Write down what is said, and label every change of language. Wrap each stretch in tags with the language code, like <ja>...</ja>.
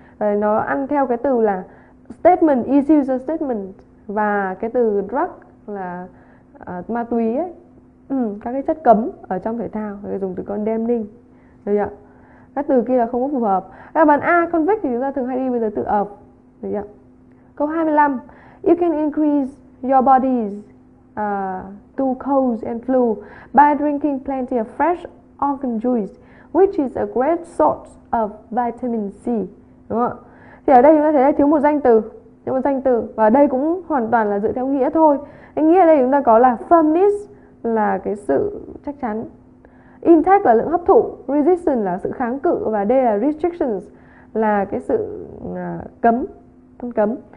<vi>Nó ăn theo cái từ là statement, is user statement, và cái từ drug là ma túy ấy. Các cái chất cấm ở trong thể thao, người dùng từ condemning, được chưa? Các từ kia là không có phù hợp. Các bạn A, convict thì chúng ta thường hay đi với giới từ of, được chưa?</vi> <en>Câu 25, you can increase your body's glucose and fluid by drinking plenty of fresh orange juice, which is a great source of vitamin C,</en> <vi>đúng không? Thì ở đây chúng ta thấy là thiếu một danh từ, thiếu một danh từ, và đây cũng hoàn toàn là dựa theo nghĩa thôi. Cái nghĩa ở đây chúng ta có là firmness là cái sự chắc chắn, intake là lượng hấp thụ, resistance là sự kháng cự, và đây là restrictions là cái sự cấm, phân cấm.</vi>